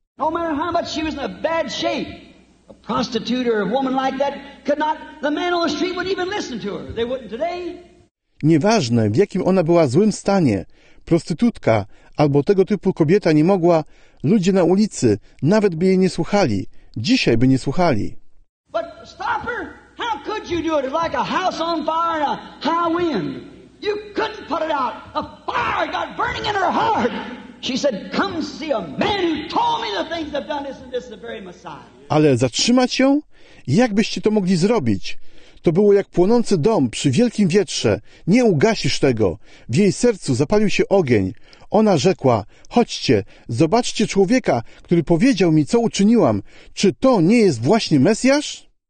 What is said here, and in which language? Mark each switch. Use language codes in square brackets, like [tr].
[en] No matter how much she was in a bad shape, a prostitute or a woman like that could not, the man on the street would even listen to her. They wouldn't today. [pl] Nieważne, w jakim ona była złym stanie, prostytutka albo tego typu kobieta nie mogła, ludzie na ulicy nawet by jej nie słuchali. Dzisiaj by nie słuchali. [en] But stop her! How could you do it? It's like a house on fire and a high wind. You couldn't put it out. A fire got burning in her heart. She said, come see a man who told me the things I've done this and this is the very Messiah. [pl] Ale zatrzymać ją? Jak byście to mogli zrobić? To było jak płonący dom przy wielkim wietrze. Nie ugasisz tego. W jej sercu zapalił się ogień. Ona rzekła, chodźcie, zobaczcie człowieka, który powiedział mi, co uczyniłam. Czy to nie jest właśnie Mesjasz?